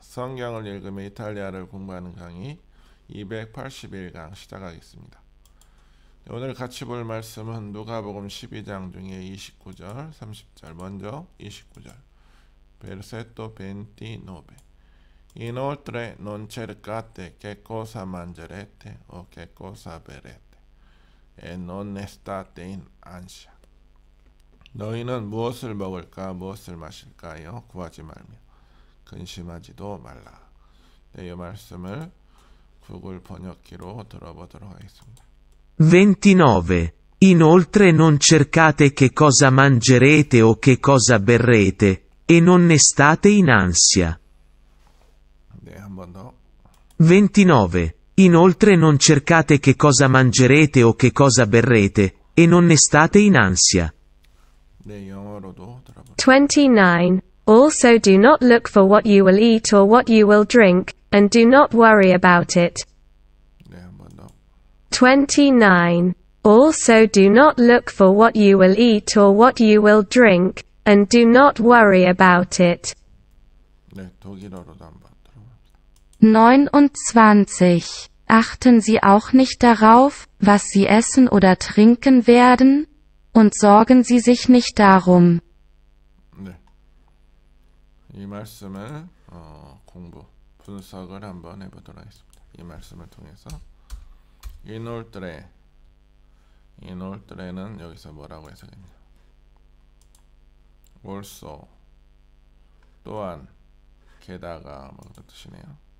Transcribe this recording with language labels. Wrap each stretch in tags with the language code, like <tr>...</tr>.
<ko>성경을 읽으며 이탈리아를 공부하는 강의 281강 시작하겠습니다. 오늘 같이 볼 말씀은 누가복음 12장 중에 29절, 30절. 먼저 29절.</ko> <it>Versetto 29. Inoltre non cercate che cosa mangerete o che cosa berete, e non state in ansia.</it> <ko>너희는 무엇을 먹을까 무엇을 마실까요? 구하지 말며 근심하지도 말라. 네, 이 말씀을 구글 번역기로 들어보도록 하겠습니다.</ko> <it>29. Inoltre non cercate che cosa mangerete o che cosa berrete, e non ne state in ansia.</it> <ko>네, 한 번 더.</ko> <it>29. Inoltre non cercate che cosa mangerete o che cosa berrete, e non ne state in ansia.</it> <ko>네, 영어로도</ko> <en>29. Also do not look for what you will eat or what you will drink, and do not worry about it. 29. Also do not look for what you will eat or what you will drink, and do not worry about it.</en> <ko>네, 독일어로도 한번</ko> <de>29. Achten Sie auch nicht darauf, was Sie essen oder trinken werden? Und sorgen Sie sich nicht darum.</de> <ko>네. 이 말씀을 공부, 분석을 한번 해보도록 하겠습니다. 이 말씀을 통해서 inoltre, inoltre는 여기서 뭐라고 해석했냐? also, 또한, 게다가 뭐 그런 뜻이네요.</ko>